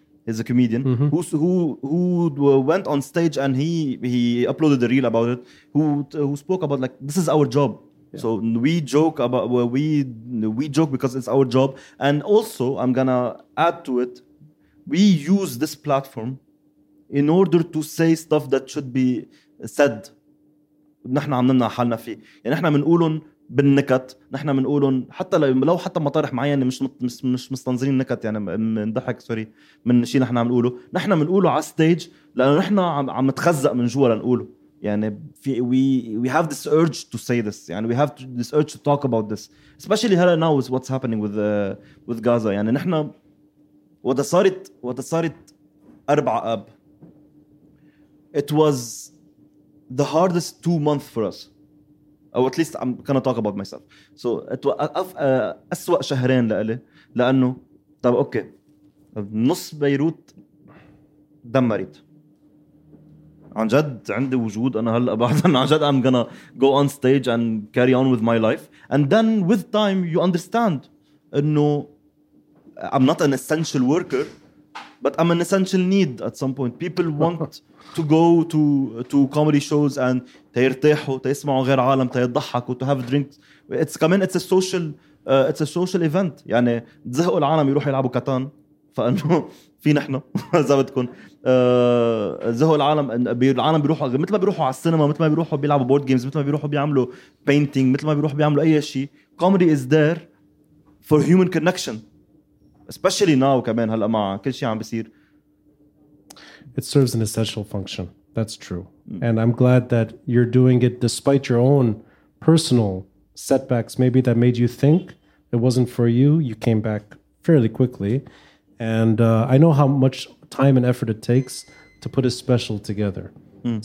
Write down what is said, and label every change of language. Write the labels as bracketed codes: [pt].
[en] He's a comedian, mm-hmm, who went on stage and he uploaded a reel about it, who spoke about, like, this is our job. Yeah. So we joke about, we joke because it's our job. And also, I'm going to add to it, we use this platform in order to say stuff that should be said. [ar] نحن عم نمنع حالنا فيه. يعني نحن منقولهم بالنكت. نحن منقولهم حتى مطارح معينة مش مستنظرين نكت, يعني منضحك, سوري, من شيء نحن عم نقوله. نحن منقوله على ستيج لأنه نحن عم نتخزق من جوا لنقوله. يعني [en] we have this urge to say this. يعني we have this urge to talk about this. Especially [ar] هلا [en] now is what's happening with Gaza. [ar] يعني نحن وده صارت 4 آب. [en] It was the hardest 2 months for us. Or at least I'm gonna talk about myself. So it was [ar] أسوأ شهرين لألي, لأنه طب أوكي نص بيروت دمرت عن جد عندي وجود أنا هلأ بعد أنا عن جد [en] I'm gonna go on stage and carry on with my life. And then with time you understand [ar] أنه [en] I'm not an essential worker, but I'm an essential need at some point. People want to go to comedy shows and [ar] تيرتاحوا, تيسمعوا غير عالم, تيضحكوا, [en] to have drinks. It's come in, it's a social event. [ar] يعني تزهقوا العالم يروحوا يلعبوا كتان, فأنه في نحن إذا بدكم. زهقوا العالم, العالم بيروحوا مثل ما بيروحوا على السينما, مثل ما بيروحوا بيلعبوا بورد جيمز, مثل ما بيروحوا بيعملوا painting, مثل ما بيروحوا بيعملوا أي شيء. [en] Comedy is there for human connection. Especially now, [ar] كمان هلأ مع كل شيء عم بيصير. [en] It serves an essential function. That's true. Mm. And I'm glad that you're doing it despite your own personal setbacks, maybe that made you think it wasn't for you. You came back fairly quickly. And I know how much time and effort it takes to put a special together. Mm.